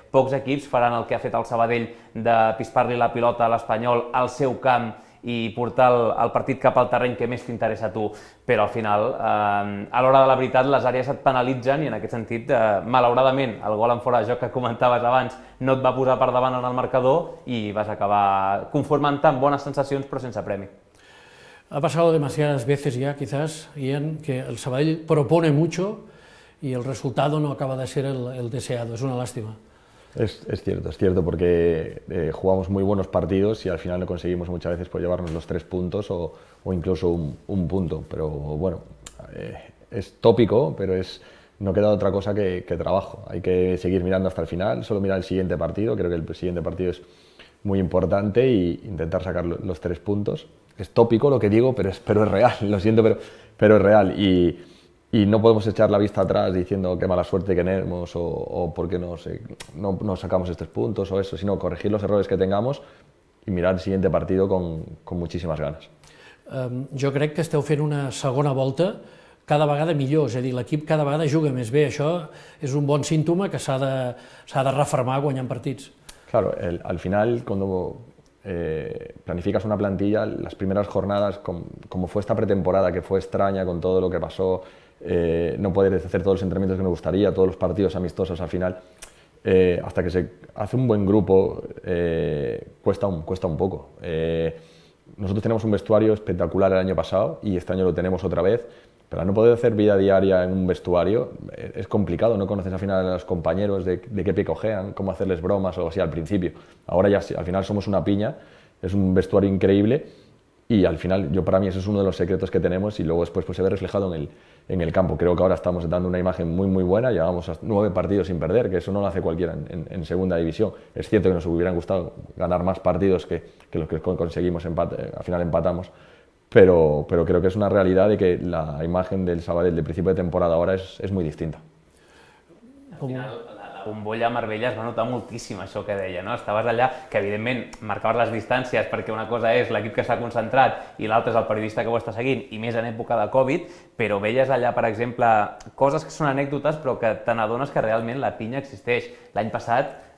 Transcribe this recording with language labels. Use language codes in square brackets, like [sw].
[ca] Pocs equips faran el que ha fet el Sabadell de pispar-li la pilota a l'Espanyol al seu camp i portar el partit cap al terreny que més t'interessa a tu, però al final, a l'hora de la veritat, les àrees et penalitzen i en aquest sentit, malauradament, el gol en fora de joc que comentaves abans no et va posar per davant en el marcador i vas acabar conformant-te amb bones sensacions però sense premi. [es] Ha pasado demasiadas veces ya, quizás, Ian, que el Sabadell propone mucho y el resultado no acaba de ser el deseado, es una lástima. Es cierto, porque jugamos muy buenos partidos y al final no conseguimos muchas veces pues, llevarnos los tres puntos o incluso un punto. Pero bueno, es tópico, pero no queda otra cosa que trabajo. Hay que seguir mirando hasta el final, solo mirar el siguiente partido. Creo que el siguiente partido es muy importante e intentar sacar los tres puntos. Es tópico lo que digo, pero es real, lo siento, pero es real. Y no podemos echar la vista atrás diciendo qué mala suerte que tenemos o por qué no sacamos estos puntos o eso, sino corregir los errores que tengamos y mirar el siguiente partido con muchísimas ganas. [ca] Jo crec que esteu fent una segona volta cada vegada millor, és a dir, l'equip cada vegada juga més bé. Això és un bon símptoma que s'ha de refermar guanyant partits. [es] Claro, al final, cuando planificas una plantilla, las primeras jornadas, como fue esta pretemporada, que fue extraña con todo lo que pasó, no poder hacer todos los entrenamientos que nos gustaría, todos los partidos amistosos al final, hasta que se hace un buen grupo, cuesta un poco. Nosotros tenemos un vestuario espectacular el año pasado y este año lo tenemos otra vez, pero no poder hacer vida diaria en un vestuario es complicado, no conoces al final a los compañeros de qué pie cojean, cómo hacerles bromas o así al principio. Ahora ya al final somos una piña, es un vestuario increíble. Y al final, yo para mí, eso es uno de los secretos que tenemos y luego después pues, se ve reflejado en el campo. Creo que ahora estamos dando una imagen muy, muy buena. Llevamos 9 partidos sin perder, que eso no lo hace cualquiera en segunda división. Es cierto que nos hubieran gustado ganar más partidos que los que conseguimos, al final empatamos. Pero creo que es una realidad de que la imagen del Sabadell de principio de temporada ahora es muy distinta. [ca] ¿Cómo? Bombolla a Marbella es va notar moltíssim això que deia, no? Estaves allà, que evidentment marcaves les distàncies perquè una cosa és l'equip que està concentrat i l'altra és el periodista que ho està seguint, i més en època de Covid, però veies allà, per exemple, coses que són anècdotes però que te n'adones que realment la pinya existeix. L'any passat